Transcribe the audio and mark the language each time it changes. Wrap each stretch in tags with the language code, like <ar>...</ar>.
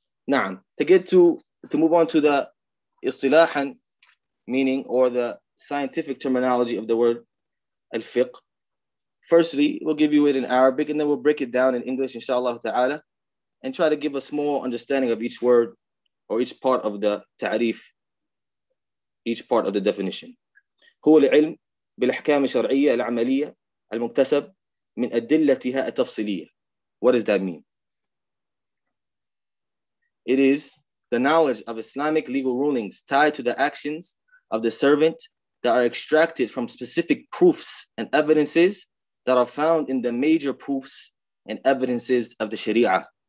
<en>Na'am, to move on to the istilahan, meaning or the scientific terminology of the word al-fiqh. Firstly, we'll give you it in Arabic and then we'll break it down in English, inshallah ta'ala, and try to give a small understanding of each word or each part of the ta'rif, each part of the definition.</en> <ar>هو العلم بالأحكام الشرعية العملية المكتسب من أدلتها التفصيلية.</ar> <en>What does that mean? It is the knowledge of Islamic legal rulings tied to the actions of the servant that are extracted from specific proofs and evidences that are found in the major proofs and evidences of the Sharia.</en>